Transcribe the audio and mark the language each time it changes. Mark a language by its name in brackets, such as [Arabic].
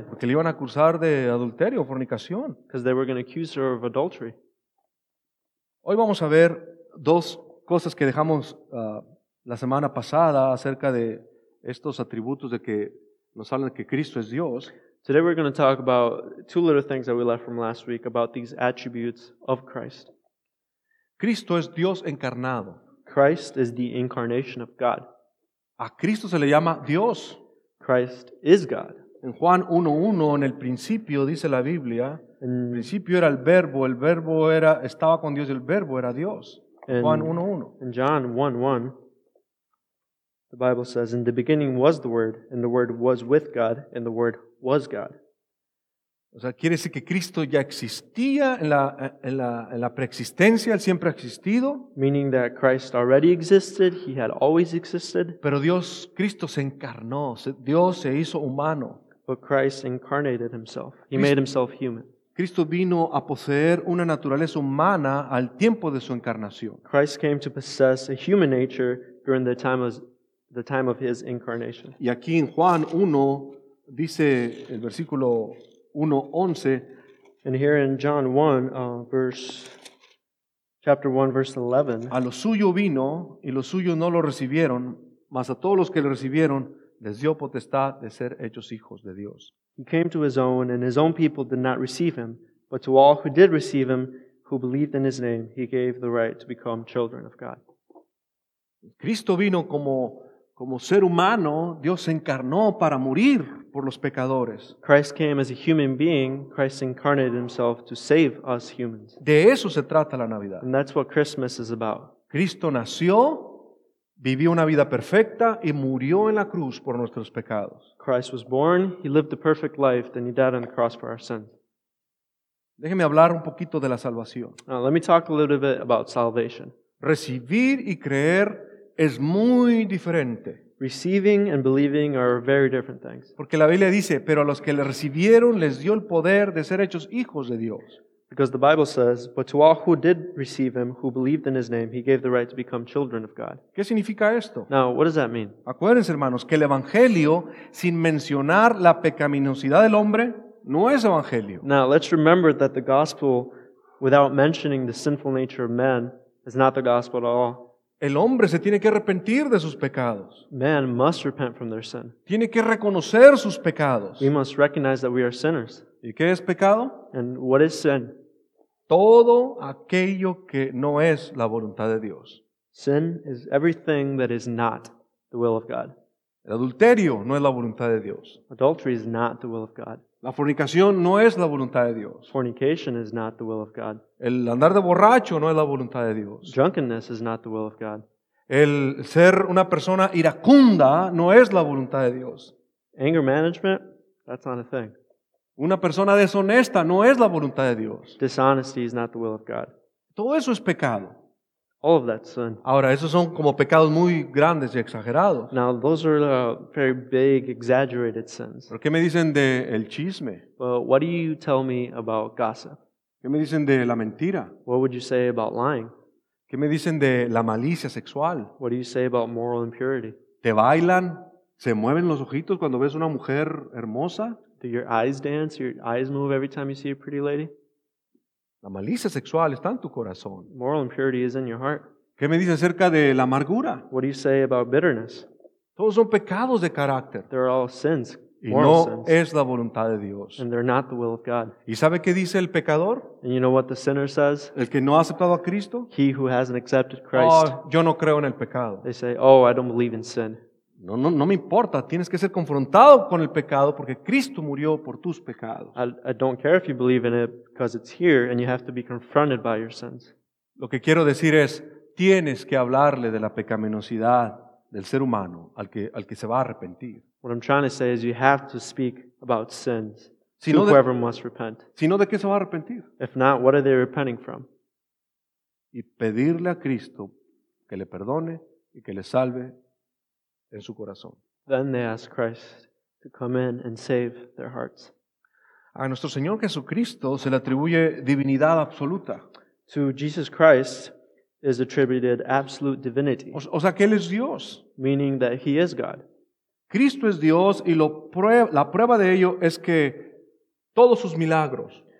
[Spanish] Porque le iban a acusar de adulterio o fornicación. [English] Because they were going to accuse her of adultery. [Spanish] Hoy vamos a ver dos cosas que dejamos la semana pasada acerca de estos atributos de que nos hablan de que Cristo es Dios. [English] Today we're going to talk about two little things that we left from last week about these attributes of Christ. [Spanish] Cristo es Dios encarnado. [English] Christ is the incarnation of God. [Spanish] A Cristo se le llama Dios. [English] Christ is God. [Spanish] En Juan 1:1, en el principio dice la Biblia, en el principio era el verbo era estaba con Dios y el verbo era Dios. Juan 1:1. [English] In John 1:1, the Bible says, "In the beginning was the Word, and the Word was with God, and the Word was God." [Spanish] O sea, quiere decir que Cristo ya existía en la preexistencia, él siempre ha existido. [English] Meaning that Christ already existed, he had always existed. [Spanish] Pero Dios, Cristo se encarnó, Dios se hizo humano. [English] But Christ incarnated himself. He made himself human. [Spanish] Cristo vino a poseer una naturaleza humana al tiempo de su encarnación. [English] Christ came to possess a human nature during the time of his incarnation. [Spanish] Y aquí en Juan 1 dice el versículo 1:11, [English] and here in John 1 chapter 1 verse 11, [Spanish] a lo suyo vino y los suyos no lo recibieron, mas a todos los que lo recibieron les dio potestad de ser hechos hijos de Dios. [English] He came to his own and his own people did not receive him, but to all who did receive him, who believed in his name, he gave the right to become children of God. [Spanish] Cristo vino como ser humano, Dios se encarnó para morir por los pecadores. [English] Christ came as a human being. Christ incarnated himself to save us humans. [Spanish] De eso se trata la Navidad. [English] And that's what Christmas is about. [Spanish] Cristo nació, vivió una vida perfecta y murió en la cruz por nuestros pecados. [English] Christ was born, he lived the perfect life, then he died on the cross for our sins. [Spanish] Déjeme hablar un poquito de la salvación. [English] Now, let me talk a little bit about salvation. [Spanish] Recibir y creer es muy diferente. [English] Receiving and believing are very different things. [Spanish] Porque la Biblia dice, pero a los que le recibieron les dio el poder de ser hechos hijos de Dios. [English] Because the Bible says, but to all who did receive him, who believed in his name, he gave the right to become children of God. [Spanish] ¿Qué significa esto? [English] Now, what does that mean? [Spanish] Acuérdense, hermanos, que el evangelio, sin mencionar la pecaminosidad del hombre, no es evangelio. [English] Now, let's remember that the gospel, without mentioning the sinful nature of man, is not the gospel at all. [Spanish] El hombre se tiene que arrepentir de sus pecados. [English] Man must repent from their sin. [Spanish] Tiene que reconocer sus pecados. [English] We must recognize that we are sinners. [Spanish] ¿Y qué es pecado? [English] And what is sin? [Spanish] Todo aquello que no es la voluntad de Dios. [English] Sin is everything that is not the will of God. [Spanish] El adulterio no es la voluntad de Dios. [English] Adultery is not the will of God. [Spanish] La fornicación no es la voluntad de Dios. [English] Fornication is not the will of God. [Spanish] El andar de borracho no es la voluntad de Dios. [English] Drunkenness is not the will of God. [Spanish] El ser una persona iracunda no es la voluntad de Dios. [English] Anger management, that's not a thing. [Spanish] Una persona deshonesta no es la voluntad de Dios. [English] Dishonesty is not the will of God. [Spanish] Todo eso es pecado. [English] All of that sin. [Spanish] Ahora, esos son como pecados muy grandes y exagerados. [English] Now, those are very big, exaggerated sins. [Spanish] ¿Pero qué me dicen de el chisme? [English] Well, what do you tell me about gossip? [Spanish] ¿Qué me dicen de la mentira? [English] What would you say about lying? [Spanish] ¿Qué me dicen de la malicia sexual? [English] What do you say about moral impurity? [Spanish] ¿Te bailan? ¿Se mueven los ojitos cuando ves una mujer hermosa? [English] Do your eyes dance? Your eyes move every time you see a pretty lady? [Spanish] La malicia sexual está en tu corazón. [English] Moral impurity is in your heart. [Spanish] ¿Qué me dice acerca de la amargura? [English] What do you say about bitterness? [Spanish] Todos son pecados de carácter. [English] They're all sins, [Spanish] y no [English] sins. [Spanish] Es la voluntad de Dios. [English] And they're not the will of God. [Spanish] ¿Y sabe qué dice el pecador? [English] And you know what the sinner says? [Spanish] El que no ha aceptado a Cristo. [English] He who hasn't accepted Christ. [Spanish] Oh, yo no creo en el pecado. [English] They say, oh, I don't believe in sin. [Spanish] No, no, no me importa. Tienes que ser confrontado con el pecado porque Cristo murió por tus pecados. [English] I don't care if you believe in it because it's here and you have to be confronted by your sins. [Spanish] Lo que quiero decir es, tienes que hablarle de la pecaminosidad del ser humano al que se va a arrepentir. [English] What I'm trying to say is you have to speak about sins to whoever must repent. [Spanish] Si no, ¿de qué se va a arrepentir? [English] If not, what are they repenting from? [Spanish] Y pedirle a Cristo que le perdone y que le salve. En su corazón. [English] Then they ask Christ to come in and save their hearts. [Spanish] A nuestro Señor Jesucristo se le atribuye divinidad absoluta. [English] To Jesus Christ is attributed absolute divinity. [Spanish] O sea, que Él es Dios. [English] Meaning that He is God. [Spanish] Cristo es Dios y la prueba de ello es que todos sus milagros.